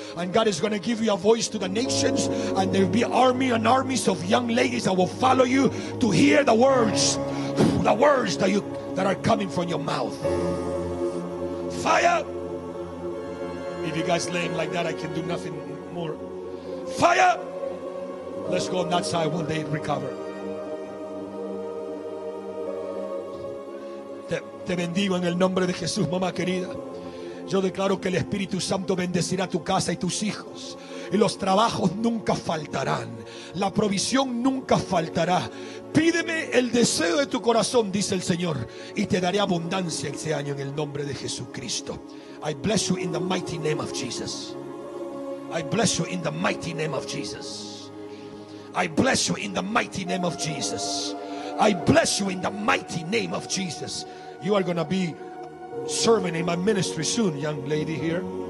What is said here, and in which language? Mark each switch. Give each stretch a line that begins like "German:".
English: And God is going to give you a voice to the nations. And there will be army and armies of young ladies that will follow you to hear the words that you that are coming from your mouth. Fire! If you guys lay him like that, I can do nothing more. Fire! Let's go on that side when they recover.
Spanish: Te bendigo en el nombre de Jesús, mamá querida. Yo declaro que el Espíritu Santo bendecirá tu casa y tus hijos. Y los trabajos nunca faltarán. La provisión nunca faltará. Pídeme el deseo de tu corazón, dice el Señor. Y te daré abundancia este año en el nombre de Jesucristo.
English: I bless you in the mighty name of Jesus. I bless you in the mighty name of Jesus. I bless you in the mighty name of Jesus. I bless you in the mighty name of Jesus. You are going to be serving in my ministry soon, young lady here.